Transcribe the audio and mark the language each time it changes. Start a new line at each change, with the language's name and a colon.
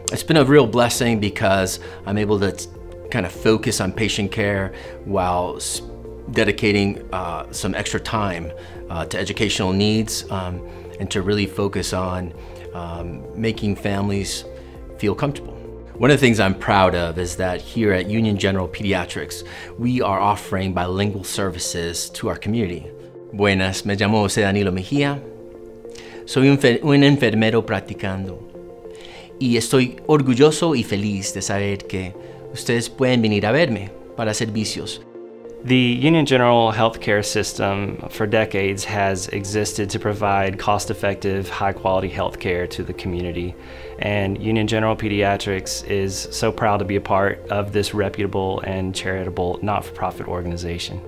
English: It's been a real blessing because I'm able to kind of focus on patient care while dedicating some extra time to educational needs and to really focus on making families feel comfortable. One of the things I'm proud of is that here at Union General Pediatrics, we are offering bilingual services to our community.
Spanish: Buenas, me llamo José Danilo Mejía. Soy un enfermero practicando y estoy orgulloso y feliz de saber que ustedes pueden venir a verme para servicios.
English: The Union General healthcare system for decades has existed to provide cost-effective, high-quality healthcare to the community. And Union General Pediatrics is so proud to be a part of this reputable and charitable not-for-profit organization.